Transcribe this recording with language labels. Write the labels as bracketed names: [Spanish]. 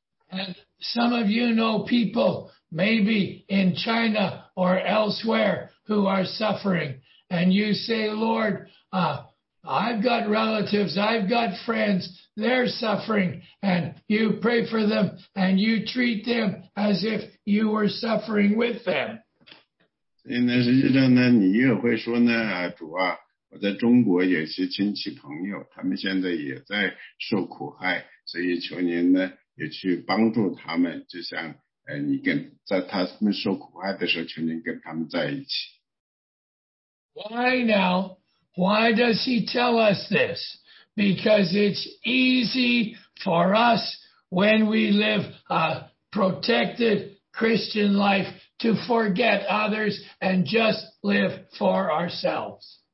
[English] And some of you know people, maybe in China or elsewhere, who are suffering. And you say, Lord, I've got relatives, I've got friends, they're suffering. And you pray for them and you treat them as if you were suffering with them. [Chinese] 所以呢，实际上呢，你也会说呢，主啊，我在中国有些亲戚朋友，他们现在也在受苦害，所以求您呢。也去帮助他们，就像，你跟在他们受苦害的时候，求您跟他们在一起。 [English] Why now? Why does he tell us this? Because it's easy for us when we live a protected Christian life to forget others and just live for ourselves.